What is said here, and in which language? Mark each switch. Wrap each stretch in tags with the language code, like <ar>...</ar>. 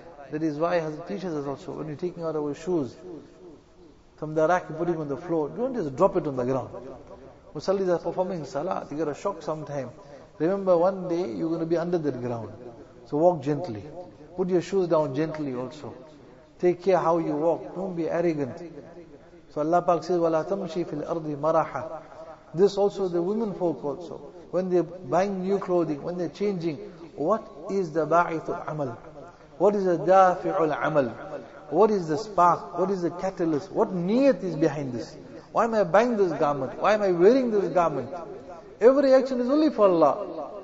<en>That is why Hazrat teaches us also, when you're taking out our shoes from the rack and putting on the floor, don't just drop it on the ground. Musallis are performing salah, you get a shock sometime. Remember, one day you're going to be under that ground. So walk gently. Put your shoes down gently also. Take care how you walk. Don't be arrogant. So Allah Pak says,</en> <ar>وَلَا تَمْشِي فِي الْأَرْضِ مَرَحَ.</ar> <en>This also, the women folk also, when they're buying new clothing, when they're changing, what is the ba'ithu amal? What is the dafi'ul amal? What is the spark? What is the catalyst? What niyat is behind this? Why am I buying this garment? Why am I wearing this garment? Every action is only for Allah.</en>